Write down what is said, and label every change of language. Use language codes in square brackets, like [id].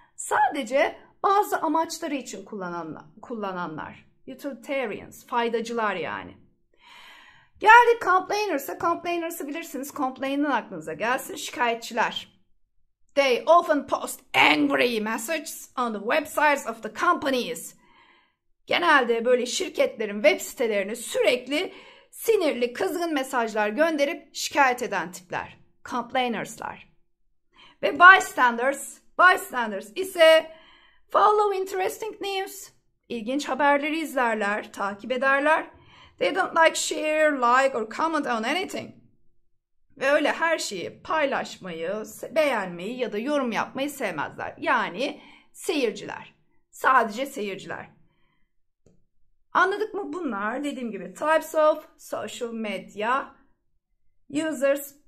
[tr] Sadece bazı amaçları için kullananlar. Utilitarians, faydacılar yani. Geldik complainers'a. Complainers'ı bilirsiniz. Complain'ın aklınıza gelsin. Şikayetçiler. [en] They often post angry messages on the websites of the companies. [tr] Genelde böyle şirketlerin web sitelerine sürekli sinirli, kızgın mesajlar gönderip şikayet eden tipler. Complainers'lar. Ve bystanders ise [en] follow interesting news. [tr] İlginç haberleri izlerler, takip ederler. [en] They don't like, share, like or comment on anything. [tr] Ve öyle her şeyi paylaşmayı, beğenmeyi ya da yorum yapmayı sevmezler. Yani seyirciler. Sadece seyirciler. Anladık mı bunlar? Dediğim gibi [en] types of social media users.